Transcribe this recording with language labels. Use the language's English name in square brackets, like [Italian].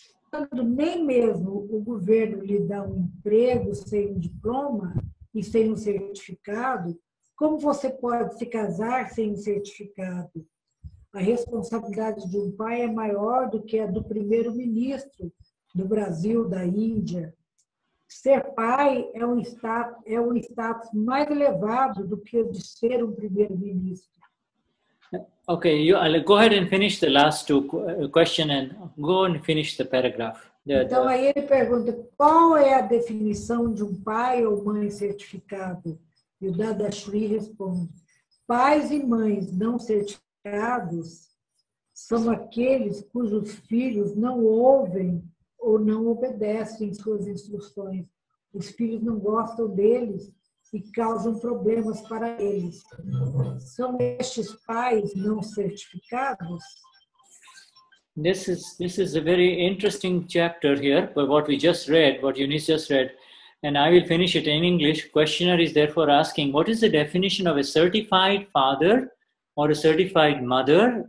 [Portuguese] Quando nem mesmo o governo lhe dá um emprego sem um diploma e sem um certificado, como você pode se casar sem um certificado? A responsabilidade de um pai é maior do que a do primeiro-ministro do Brasil, da Índia. Ser pai é um status mais elevado do que o de ser um primeiro-ministro. [English] Okay, I'll go ahead and finish the last two questions and go and finish the paragraph. [Portuguese] Então aí ele pergunta, qual é a definição de um pai ou mãe certificado? E o Dadashri responde, pais e mães não certificados são aqueles cujos filhos não ouvem ou não obedecem suas instruções. Os filhos não gostam deles e causam problemas para eles. São estes pais não certificados? [English] This is a very interesting chapter here, but what we just read, what Eunice just read, and I will finish it in English. Questioner is therefore asking, what is the definition of a certified father or a certified mother?